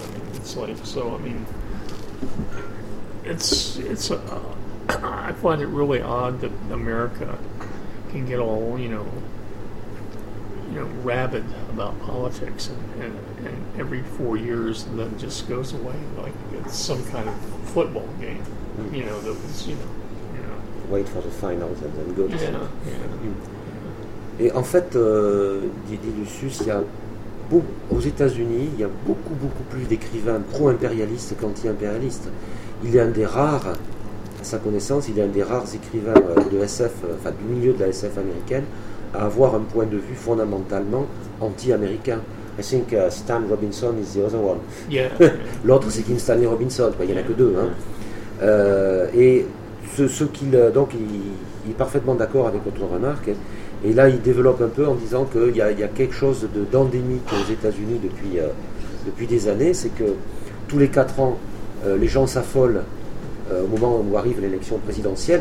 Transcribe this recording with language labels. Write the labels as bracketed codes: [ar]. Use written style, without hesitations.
[en] I mean, it's like, so, I mean, I find it really odd that America can get all, you know, rabid about politics and every 4 years and then just goes away like it's some kind of football game, you know, that was, you know. Wait for the finals and then go to the [fr] Et en fait, Didier Lucius, aux États-Unis, il y a beaucoup, beaucoup plus d'écrivains pro-impérialistes qu'anti-impérialistes. Il est un des rares, à sa connaissance, il est un des rares écrivains de SF, enfin du milieu de la SF américaine, à avoir un point de vue fondamentalement anti-américain. [en] I think Stan Robinson is the other one. Yeah. [fr] L'autre, c'est Kim Stanley Robinson, il n'y en a que deux. Hein. Et ce qu'il. Donc, il est parfaitement d'accord avec votre remarque. Et là, il développe un peu en disant qu'il y a quelque chose d'endémique aux États-Unis depuis des années, c'est que tous les 4 ans, les gens s'affolent au moment où arrive l'élection présidentielle.